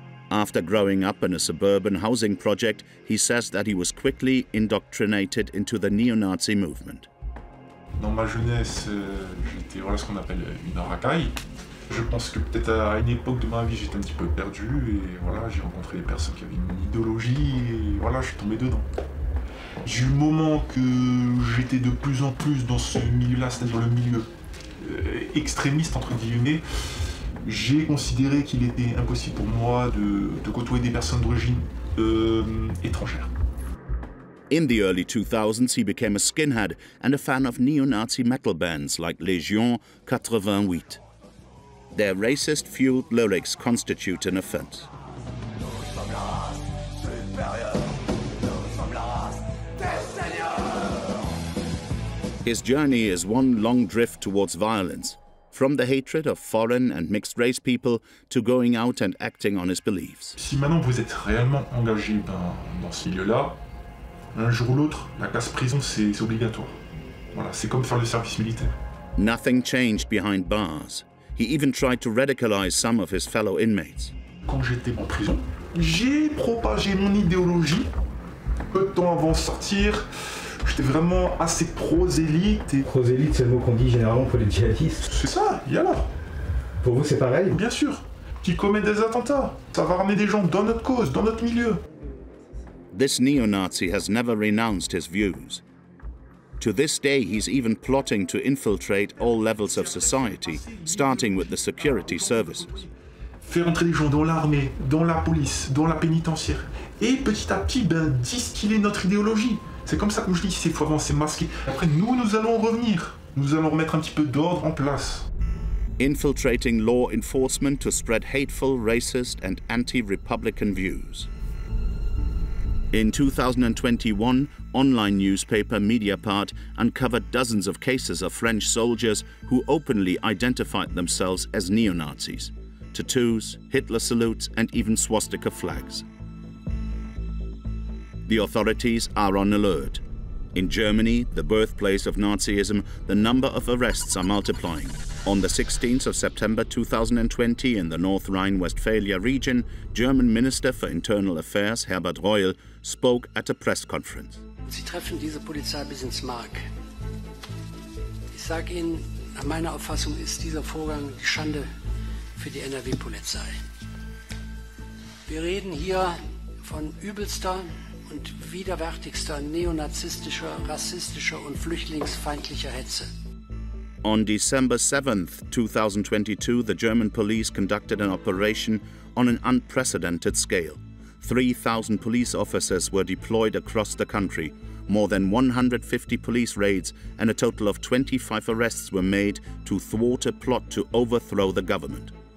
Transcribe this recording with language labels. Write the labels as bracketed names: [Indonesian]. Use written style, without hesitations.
[English] After growing up in a suburban housing project, he says that he was quickly indoctrinated into the neo-Nazi movement. [French] Dans ma jeunesse, j'étais voilà ce qu'on appelle une racaille. Je pense que peut-être à une époque de ma vie, j'étais un petit peu perdu et voilà, j'ai rencontré des personnes qui avaient une idéologie et voilà, je suis tombé dedans. Du moment que j'étais de plus en plus dans ce milieu-là, c'est-à-dire le milieu extrémiste entre guillemets, j'ai considéré qu'il était impossible pour moi de côtoyer des personnes d'origine étrangère. [English] In the early 2000s, he became a skinhead and a fan of neo-Nazi metal bands like Légion 88. their racist-fueled lyrics constitute an offense. His journey is one long drift towards violence, from the hatred of foreign and mixed race people to going out and acting on his beliefs. [French] Si maintenant vous êtes réellement engagé ben, dans ces lieux-là, un jour ou l'autre, la casse-prison, c'est obligatoire. Voilà, c'est comme faire le service militaire. [English] Nothing changed behind bars. He even tried to radicalize some of his fellow inmates. [French] Quand j'étais en prison, j'ai propagé mon idéologie. Peu de temps avant de sortir, j'étais vraiment assez prosélyte. Et... Prosélyte, c'est le mot qu'on dit généralement pour les djihadistes. C'est ça, et alors? Pour vous, c'est pareil? Bien sûr. Qui commet des attentats, ça va ramener des gens dans notre cause, dans notre milieu. [English] This neo-Nazi has never renounced his views. To this day, he's even plotting to infiltrate all levels of society, starting with the security services. [French] Faire entrer des gens dans l'armée, dans la police, dans la pénitentiaire, et petit à petit, ben, distiller notre idéologie. C'est comme ça que je dis, c'est faut avancer masqué. Après, nous, nous allons revenir. Nous allons remettre un petit peu d'ordre en place. [English] Infiltrating law enforcement to spread hateful, racist and anti-republican views. In 2021, online newspaper Mediapart uncovered dozens of cases of French soldiers who openly identified themselves as neo-Nazis. Tattoos, Hitler salutes and even swastika flags. The authorities are on alert. In Germany, the birthplace of Nazism, the number of arrests are multiplying. On the 16th of September 2020 in the North Rhine-Westphalia region, German Minister for Internal Affairs Herbert Reul spoke at a press conference. [German] Sie treffen diese Polizei bis ins Mark. Ich sage Ihnen, nach meiner Auffassung ist dieser Vorgang die Schande für die NRW-Polizei. Wir reden hier von übelster und widerwärtigster neonazistischer, rassistischer und flüchtlingsfeindlicher Hetze. [English] On December 7th, 2022, the German police conducted an operation on an unprecedented scale. 3,000 police officers were deployed across the country. More than 150 police raids and a total of 25 arrests were made to thwart a plot to overthrow the government.